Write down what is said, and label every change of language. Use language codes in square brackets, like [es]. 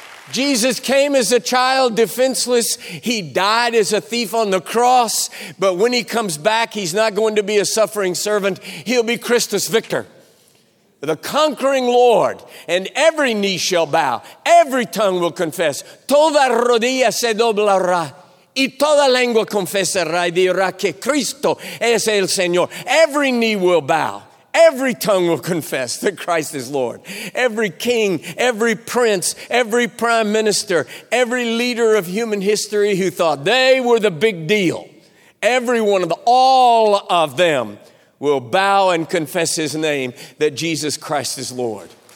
[en] Jesus came as a child, defenseless. He died as a thief on the cross. But when he comes back, he's not going to be a suffering servant. He'll be Christus Victor, the conquering Lord, and every knee shall bow, every tongue will confess. [es] Toda rodilla se doblará, y toda lengua confesará y dirá que Cristo es el Señor. [en] Every knee will bow, every tongue will confess that Christ is Lord. Every king, every prince, every prime minister, every leader of human history who thought they were the big deal, all of them will bow and confess his name, that Jesus Christ is Lord.